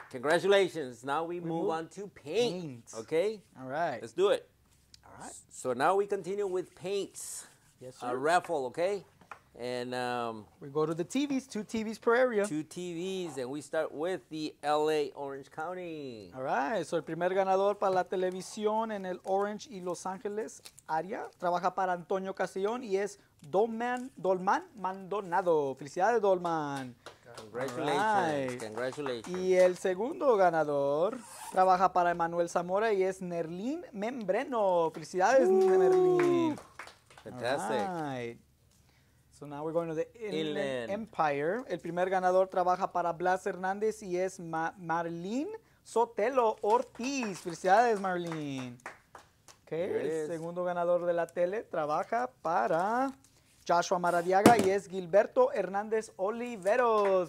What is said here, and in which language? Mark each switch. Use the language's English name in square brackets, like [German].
[English] Congratulations. Now we move on to paint. Okay? All right. Let's do it. All right. So now we continue with paints. Yes, sir. A raffle, okay? And we go to the TVs. Two TVs per area. Two TVs. And we start with the LA Orange County. All right. [Spanish] So el primer ganador para la televisión en el Orange y Los Ángeles área trabaja para Antonio Castellón y es Dolman Maldonado. Felicidades, Dolman. [English] Congratulations. Right. Congratulations. [Spanish] Y el segundo ganador trabaja para Emanuel Zamora y es Nerlín Membreno. Felicidades, Nerlín. [English] Fantastic. All right. So now we're going to the Inland Empire. [Spanish] El primer ganador trabaja para Blas Hernández y es Marlene Sotelo Ortiz. Felicidades, Marlene. Okay. El segundo ganador de la tele trabaja para Joshua Maradiaga y es Gilberto Hernández Oliveros.